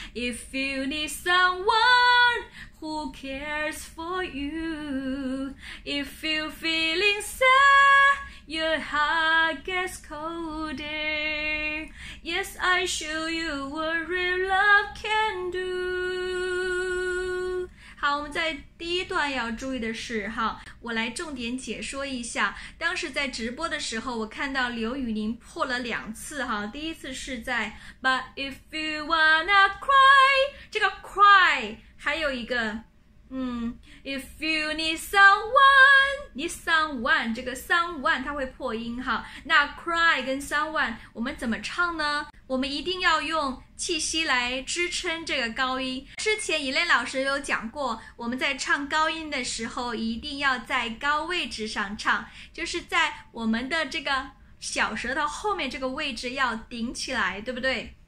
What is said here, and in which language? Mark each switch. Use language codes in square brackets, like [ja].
[en] If you need someone, who cares for you? If you're feeling sad, your heart gets colder. Yes, I show you what real love can do. [zh] 好，我们在第一段要注意的是，哈，我来重点解说一下。当时在直播的时候，我看到刘宇宁破了2次，哈，第一次是在 [en] "But if you wanna cry"， [zh] 这个 cry，还有一个。 [en] If you need someone， [zh] 这个 someone 它会破音哈。那 cry 跟 someone 我们怎么唱呢？我们一定要用气息来支撑这个高音。之前 Elaine 老师有讲过，我们在唱高音的时候一定要在高位置上唱，就是在我们的这个小舌头后面这个位置要顶起来，对不对？